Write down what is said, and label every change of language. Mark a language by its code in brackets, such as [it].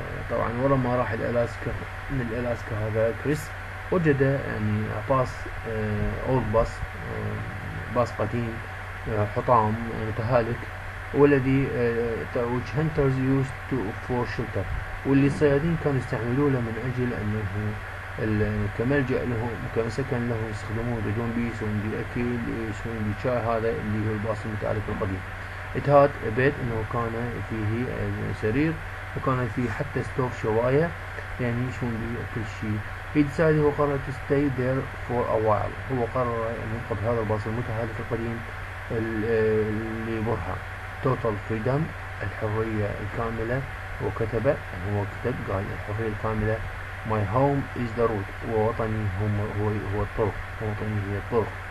[ar] طبعا ورا ما راح الألاسكا من الألاسكا هذا كريس وجد يعني باص أول باص باص قديم حطام متهالك والذي [en] which hunters used to for shelter [ar] واللي الصيادين كانوا يستعملوه من أجل أنه كملجأ لهم كسكن لهم يستخدموه يجون بيه يسوون بيه أكل يسوون بيه شاي هذا اللي هو الباص المتهالك القديم. [en] It had a bed [ar] إنه كان فيه سرير وكان فيه حتى ستوف شواية يعني يشون به كل شيء. [en] He decided [ar] هو قرر [en] to stay there for a while. [ar] هو قرر أن يبقى بهذا الباص المتهالك القديم اللي برها. [en] Total freedom [ar] الحرية الكاملة وكتب يعني هو كتب قال الحرية الكاملة. [en] My home is the road [ar] ووطني هو الطرق ووطني هي الطرق.